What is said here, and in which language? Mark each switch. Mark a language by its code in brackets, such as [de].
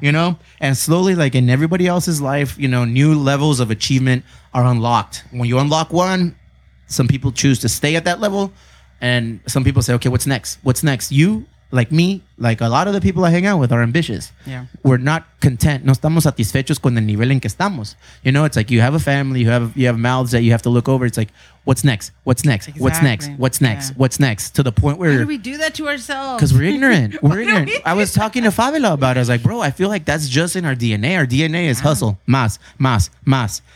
[en] You know? And slowly, like in everybody else's life, you know, new levels of achievement are unlocked. When you unlock one, some people choose to stay at that level. And some people say, okay, what's next? What's next? You... Like me, like a lot of the people I hang out with are ambitious. Yeah. We're not content. [es] No estamos satisfechos con el nivel en que estamos. [en] You know, it's like you have a family, you have mouths that you have to look over. It's like, what's next? What's next? Exactly. What's next? What's next? Yeah. What's next? To the point where... Why do we do that to ourselves? Because we're ignorant. We're ignorant. I was talking to Favela about it. I was like, bro, I feel like that's just in our DNA. Our DNA is hustle. [es] Mas, mas, mas.